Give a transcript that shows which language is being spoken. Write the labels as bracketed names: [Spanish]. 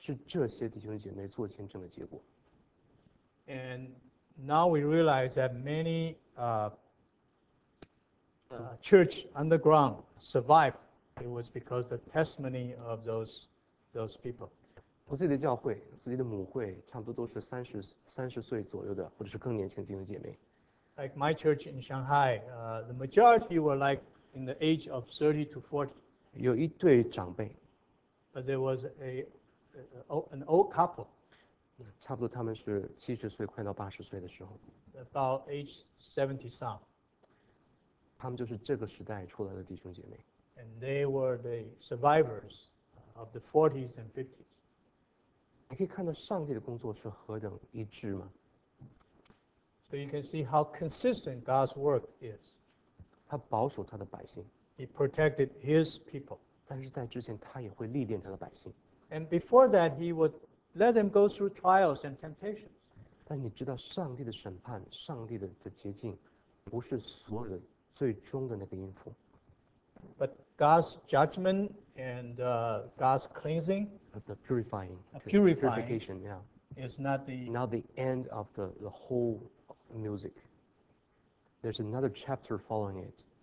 [Chinese] 但是当这个时局改变的时候，你会发现很多很多的教会是这些弟兄姐妹做见证的结果。 [English] And now we realize that many church underground survived. It was because the testimony of those people. [Chinese] 我自己的教会，自己的母会，差不多都是三十岁左右的，或者是更年轻的弟兄姐妹。 [English] Like my church in Shanghai, the majority were like in the age of 30 to 40. [Chinese] 有一对长辈。 [English] But there was an old couple. [Chinese] 差不多他们是70岁快到80岁的时候。 [English] About age 70 some. [Chinese] 他们就是这个时代出来的弟兄姐妹。 [English] And they were the survivors of the 40s and 50s. [Chinese] 你可以看到上帝的工作是何等一致吗？ [English] So you can see how consistent God's work is. [Chinese] 他保守他的百姓。 [English] He protected his people. [Chinese] 但是在之前他也会历练他的百姓。 [English] And before that, he would let them go through trials and temptations. [Chinese] 但你知道上帝的审判，上帝的洁净，不是所有的最终的那个音符。 [English] But God's judgment and God's cleansing, the purifying, purification, yeah, is not the end of the whole music. There's another chapter following it.